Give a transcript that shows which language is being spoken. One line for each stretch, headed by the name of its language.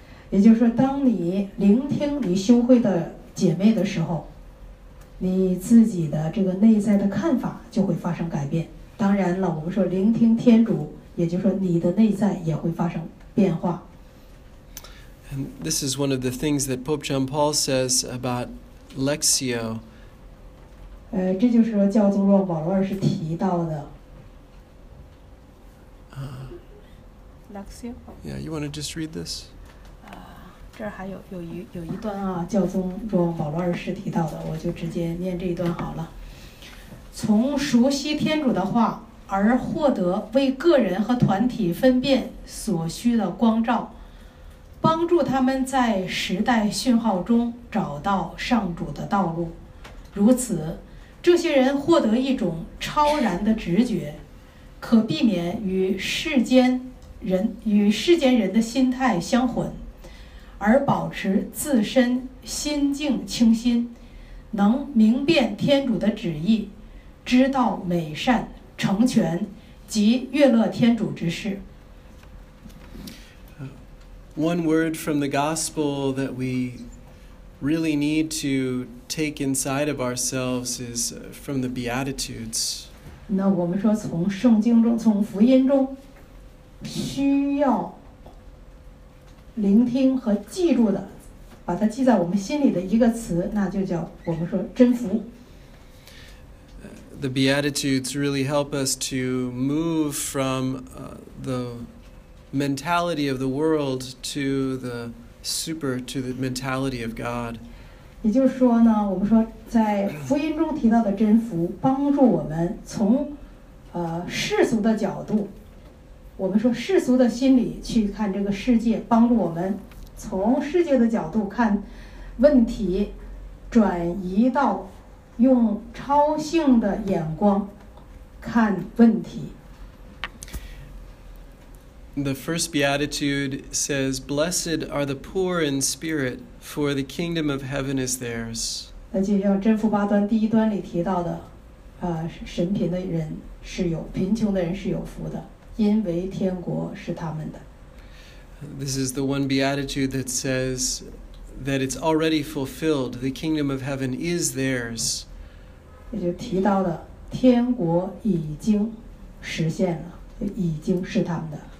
Chinese: 也就是说，当你聆听你修会的姐妹的时候，你自己的这个内在的看法就会发生改变。当然了，我们说聆听天主，也就是说你的内在也会发生变化。
English: And this is one of the things that Pope John Paul says about Lectio.
Chinese: 这就是说教宗若保罗二世提到的。
English: Lectio. Yeah, you want to just read this?
Chinese: 这儿还有一段啊，教宗若保罗二世提到的，我就直接念这一段好了。从熟悉天主的话而获得为个人和团体分辨所需的光照，帮助他们在时代讯号中找到上主的道路，如此。这些人获得一种超然的直觉，可避免与世间人的心态相混，而保持自身心境清新，能明辨天主的旨意，知道美善成全及悦乐天主之事。
English: One word from the gospel that we really need to. Take inside of ourselves is from the Beatitudes.
Chinese: 那我们说从圣经中，从福音中，需要聆听和记住的，把它记在我们心里的一个词，那就叫我们说真福。
English: The Beatitudes really help us to move from the mentality of the world to the super to the mentality of God.
Chinese: 也就是说呢，我们说在福音中提到的真福，帮助我们从世俗的角度我们说世俗的心理去看这个世界，帮助我们从世界的角度看问题，转移到用超性的眼光看问题。
English: The first beatitude says, "Blessed are the poor in spirit, for the kingdom of heaven is theirs."
Chinese: 那就像真福八端第一端里提到的，神贫的人是有贫穷的人是有福的，因为天国是他们的。
English: This is the one beatitude that says that it's already fulfilled. The kingdom of heaven is theirs.
Chinese: 也就提到的天国已经实现了，已经是他们的。